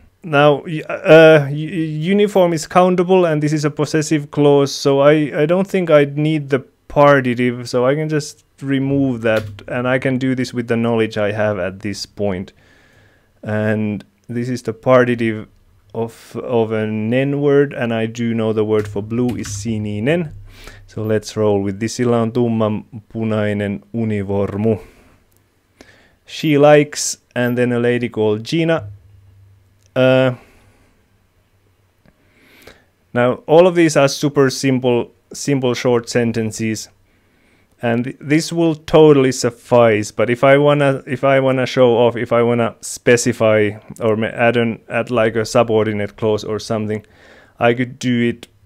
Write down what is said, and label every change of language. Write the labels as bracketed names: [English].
[English] Now, uniform is countable, and this is a possessive clause, so I don't think I'd need the partitive, so I can just remove that, and I can do this with the knowledge I have at this point. And this is the partitive of a nen word, and I do know the word for blue is sininen. So let's roll with this. [Finnish] Sillä on tumman punainen uniformu. [English] She likes, and then a lady called Gina. Now all of these are super simple short sentences, and this will totally suffice. But if I wanna show off, if I wanna specify or add like a subordinate clause or something, I could do it.